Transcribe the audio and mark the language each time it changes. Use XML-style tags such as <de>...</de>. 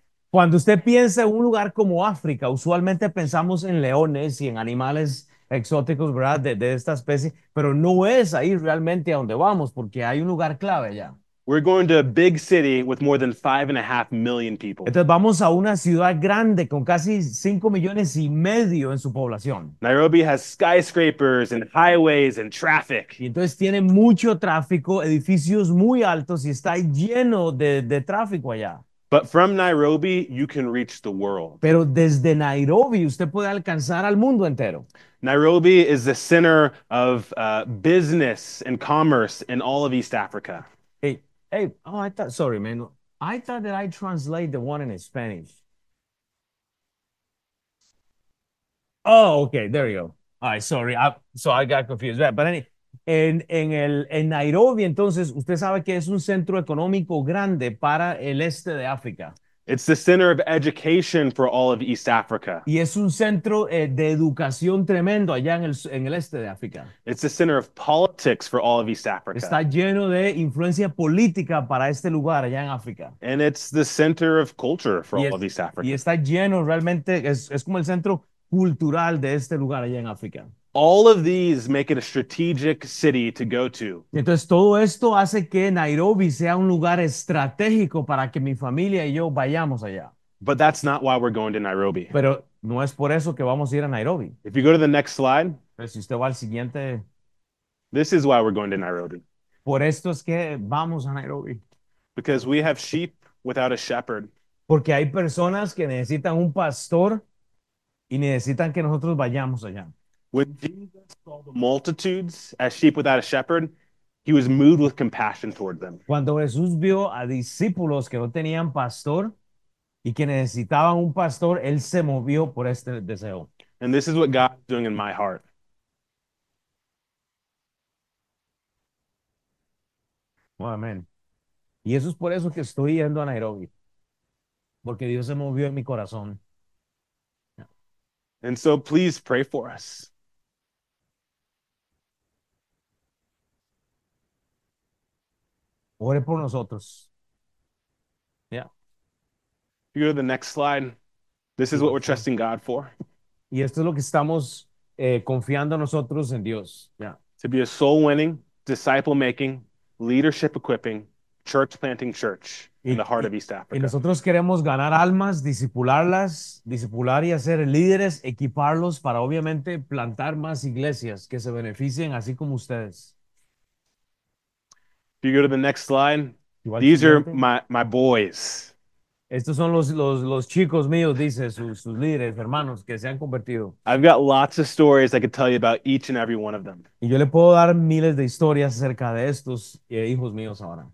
<es>cuando usted piensa en un lugar como África, usualmente pensamos en leones y en animales exóticos, ¿verdad? De esta especie, pero no es ahí realmente a donde vamos, porque hay un lugar clave allá.</es> <en>We're going to a big city with more than 5.5 million people.</en> <es>Entonces vamos a una ciudad grande con casi 5,5 millones en su población.</es> <en>Nairobi has skyscrapers and highways and</en> <es>Y</es> <en>traffic.</en> <es>entonces tiene mucho tráfico, edificios muy altos y está lleno de tráfico allá.</es> <en>But from Nairobi, you can reach the world.</en> <es>Pero desde Nairobi usted puede alcanzar al mundo entero.</es> <en>Nairobi is the center of business and commerce in all of East Africa. Hey, oh, I thought, sorry, man. I thought that I translate the one in Spanish. Oh, okay, there you go. All right, sorry. I got confused.</en> <es>But en Nairobi, entonces, usted sabe que es un centro económico grande para el este de África.</es> <en>It's the center of education for all of East Africa.</en> <es>Y es un centro de educación tremendo allá en el este de África.</es> <en>It's the center of politics for all of East</en> <es>Está</es> <en>Africa.</en> <es>lleno de influencia política para este lugar allá en África.</es> <en>And it's the center of culture for</en> <es>Y</es> <en>all of East Africa.</en> <es>está lleno realmente, es como el centro cultural de este lugar allá en África.</es> <en>All of these make it a strategic city to go to.</en> <es>Y entonces todo esto hace que Nairobi sea un lugar estratégico para que mi familia y yo vayamos allá.</es> <en>But that's not why we're going to Nairobi.</en> <es>Pero no es por eso que vamos a ir a Nairobi.</es> <en>If you go to the next slide,</en> <es>Pero si usted va al siguiente.</es> <en>this is why we're going to Nairobi.</en> <es>Por esto es que vamos a Nairobi.</es> <en>Because we have sheep without a shepherd.</en> <es>Porque hay personas que necesitan un pastor y necesitan que nosotros vayamos allá.</es> <en>When Jesus saw the multitudes as sheep without a shepherd, he was moved with compassion toward them.</en> <es>Cuando Jesús vio a discípulos que no tenían pastor y que necesitaban un pastor, él se movió por este deseo.</es> <en>And this is what God's doing in my heart. Oh, amén.</en> <es>Y eso es por eso que estoy yendo a Nairobi, porque Dios se movió en mi corazón.</es> <en>And so please pray for us.</en> <es>Ore por nosotros.</es> <en>If you go to the next slide, this is what</en> <es>Y</es> <en>we're trusting God for.</en> <es>esto es lo que estamos confiando nosotros en Dios.</es> <en>To be a soul winning, disciple making, leadership equipping, church planting church in the</en> <es>Y</es> <en>heart of East Africa.</en> <es>nosotros queremos ganar almas, discipularlas, discipular y hacer líderes, equiparlos para obviamente plantar más iglesias que se beneficien así como ustedes.</es> <en>You go to the next slide,</en> <es>Igual</es> <en>these are</en> <es>siguiente.</es> <en>my boys.</en> <es>Estos son los chicos míos, dice sus líderes, hermanos, que se han convertido.</es> <en>Got lots of stories I could tell you about each and every one of them.</en> <es>Y yo le puedo dar miles de historias acerca de estos hijos míos ahora.</es>